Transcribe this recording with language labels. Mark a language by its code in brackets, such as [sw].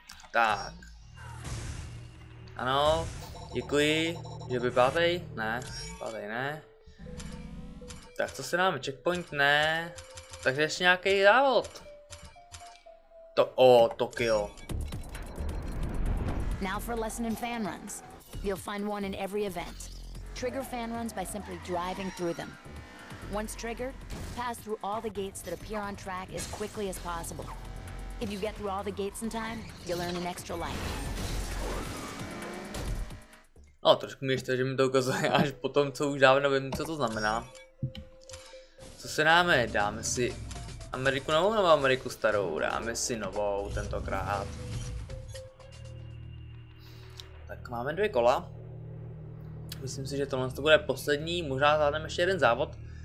[cs] Tak. Ano, děkuji, že by pátej, ne, pátej ne. Tak, co si dáme, checkpoint, ne. Takže ještě nějaký závod. To, o, Tokio. [en] Now for lesson in fan runs. You'll find one in every event. trigger fan runs by simply driving through them. Once triggered, pass through all the gates that appear on track as quickly as possible. If you get through all the gates in time, you'll earn an extra life. [cs] No, trošku mi ještě, že mi to ukazuje až po tom, co už dávno vím, co to znamená. Co se dáme? Dáme si Ameriku novou nebo Ameriku starou? Dáme si novou tentokrát. Tak máme dvě kola. Myslím si, že tohle to bude poslední, možná zvládneme ještě jeden závod.